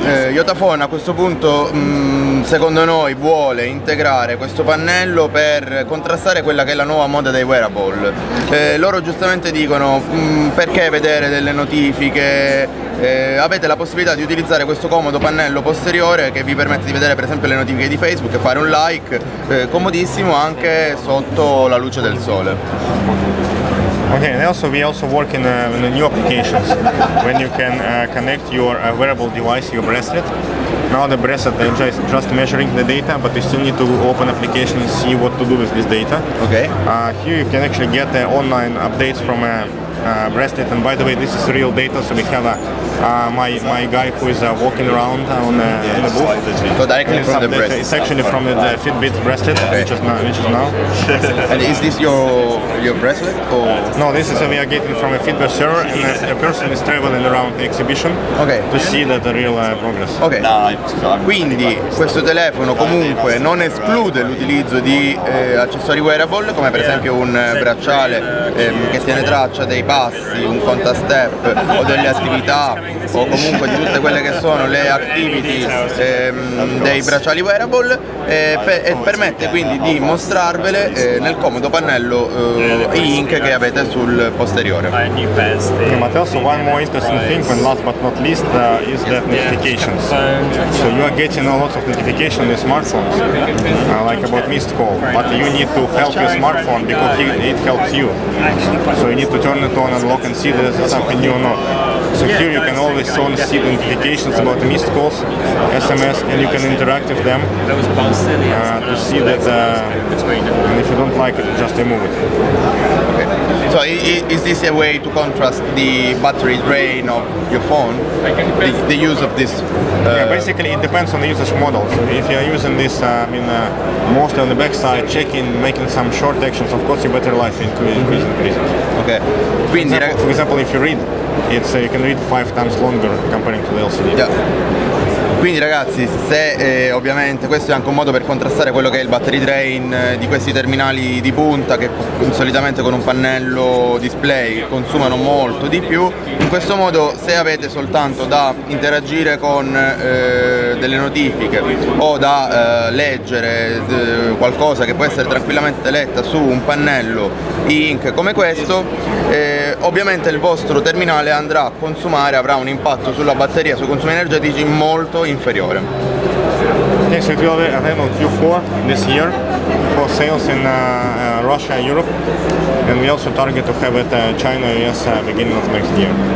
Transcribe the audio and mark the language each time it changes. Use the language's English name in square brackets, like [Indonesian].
[Italian] Iotaphone a questo punto, secondo noi, vuole integrare questo pannello per contrastare quella che è la nuova moda dei wearable. Loro giustamente dicono: perché vedere delle notifiche? Avete la possibilità di utilizzare questo comodo pannello posteriore che vi permette di vedere per esempio le notifiche di Facebook e fare un like, comodissimo anche sotto la luce del sole. [English] Okay, and also we also work in the new applications when you can connect your wearable device, your bracelet. Now the bracelet is just measuring the data, but you still need to open application and see what to do with this data. Okay. Here you can actually get the online updates from a bracelet, and by the way, this is real data, so we have my guy who is walking around on the booth. So directly from the bracelet. It's actually from the Fitbit bracelet, okay. which is now. And is this your bracelet or? No, this is we are getting from a Fitbit server, and a person is traveling around the exhibition. Okay. To see that the real progress. Okay. [Italian] Quindi questo telefono comunque non esclude l'utilizzo di accessori wearable, come per esempio un bracciale che tiene traccia dei passi, un contastep o delle attività, o comunque di tutte quelle che sono le activity dei bracciali wearable, e permette quindi di mostrarvele nel comodo pannello ink che avete sul posteriore. [English] Yeah, but also one more interesting thing, and last but not least, is that notifications. So you are getting a lot of notifications on your smartphones, like about missed call, but you need to help your smartphone because it helps you. So you need to turn it on and lock and see if there's something new or not. So here you can always see notifications about missed calls, SMS, and you can interact with them to see that, and if you don't like it, just remove it. Okay. So is this a way to contrast the battery drain of your phone, the use of this? Yeah, basically it depends on the usage models. If you're using this mostly on the backside, checking, making some short actions, of course your battery life increases. Okay. For example, if you read, you can read 5 times longer comparing to the LCD. Yeah. [Italian] Quindi ragazzi, se ovviamente questo è anche un modo per contrastare quello che è il battery drain di questi terminali di punta che solitamente con un pannello display consumano molto di più, in questo modo se avete soltanto da interagire con delle notifiche o da leggere qualcosa che può essere tranquillamente letta su un pannello e-ink come questo, ovviamente il vostro terminale andrà a consumare, avrà un impatto sulla batteria, sui consumi energetici molto inferiore. [English] Okay, so it will have on Q4 this year for sales in Russia and Europe, and we also target to have it China and US beginning of next year.